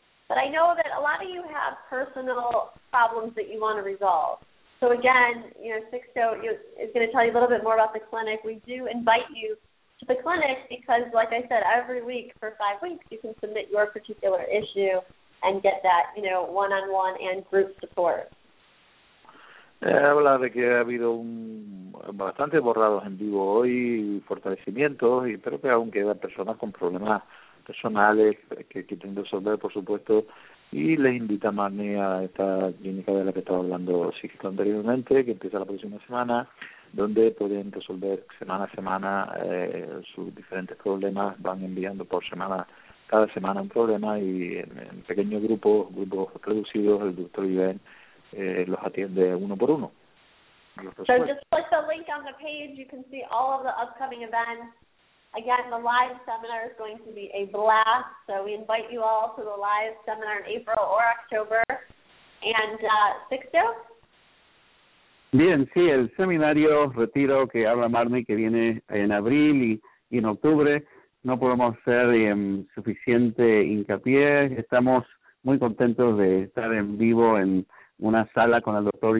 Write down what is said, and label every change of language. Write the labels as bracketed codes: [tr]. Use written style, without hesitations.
[en] But I know that a lot of you have personal problems that you want to resolve. So again, you know, Sixto is going to tell you a little bit more about the clinic. We do invite you to the clinic because, like I said, every week for 5 weeks, you can submit your particular issue and get that, you know, one-on-one and group support. [es] Habla de que ha habido bastantes borrados en vivo hoy, fortalecimientos, y creo que aún quedan personas con problemas personales que tienen que resolver, por supuesto, y les invita a Marni a esta clínica de la que estaba hablando Sixto anteriormente, que empieza la próxima semana, donde pueden resolver semana a semana sus diferentes problemas, van enviando por semana, cada semana un problema, y en pequeños grupos reducidos, el Dr. Yuen los atiende uno por uno. [en] So just click the link on the page. You can see all of the upcoming events. Again, the live seminar is going to be a blast. So we invite you all to the live seminar in April or October. And Sixto? [es] Bien, sí, el seminario retiro que habla Marni que viene en abril y en octubre. No podemos hacer suficiente hincapié. Estamos muy contentos de estar en vivo en una sala con el Dr.